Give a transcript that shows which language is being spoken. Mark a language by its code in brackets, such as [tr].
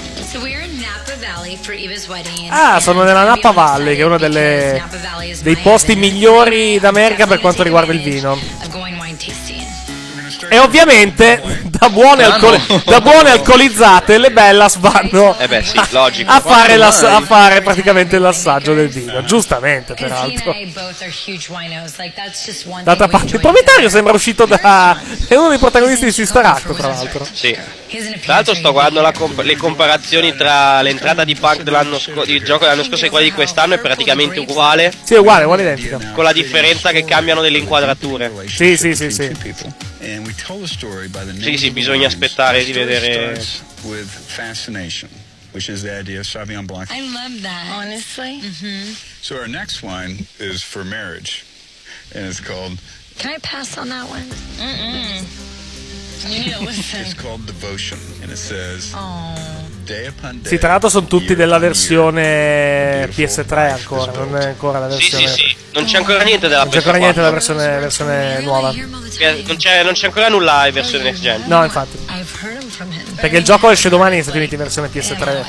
[en] So we're in Napa Valley for Eva's wedding. [it] Ah, sono nella Napa Valley, che è uno dei posti migliori d'America per quanto riguarda il vino. E ovviamente da buone alcolizzate le Bellas vanno a fare praticamente l'assaggio del vino, giustamente peraltro. D'altra parte il proprietario sembra uscito da... è uno dei protagonisti di Sister Act, tra l'altro. Sì. Tra l'altro sto guardando le comparazioni tra l'entrata di Punk del gioco dell'anno scorso e quella di quest'anno, è praticamente uguale. Sì, è uguale identica. Con la differenza che cambiano delle inquadrature. Sì, sì, sì, sì. Sì, sì, bisogna aspettare di vedere. [en] With fascination, which is the idea of Sauvignon Blanc. I love that, honestly. Mm-hmm. So our next wine is for marriage, and it's called. Can I pass on that one? Mm-mm. You need to listen. It's called Devotion, and it says. Aww. [it] Sì, tra l'altro sono tutti della versione PS3 ancora, non è ancora la versione... Sì, sì, sì, non c'è ancora niente della PS4. Non c'è ancora niente della versione, versione nuova. Non c'è ancora nulla in versione next gen. No, infatti. Perché il gioco esce domani in Stati Uniti in versione PS3